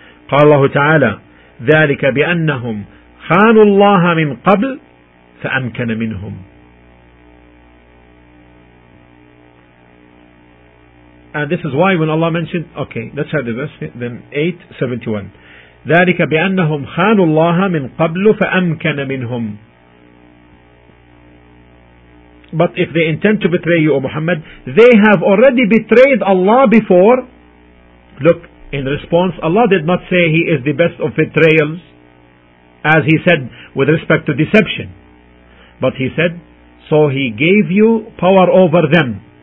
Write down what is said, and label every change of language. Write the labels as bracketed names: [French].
[Arabic] قال الله تعالى ذلك بأنهم خانوا الله من قبل فأمكن منهم. [English] And this is why when Allah mentioned, okay, let's have the verse then, 8:71. [Arabic] ذلك بأنهم خانوا الله من قبل فأمكن منهم. [English] But if they intend to betray you, O Muhammad, they have already betrayed Allah before. Look, in response, Allah did not say he is the best of betrayals, as he said with respect to deception. But he said, so he gave you power over them.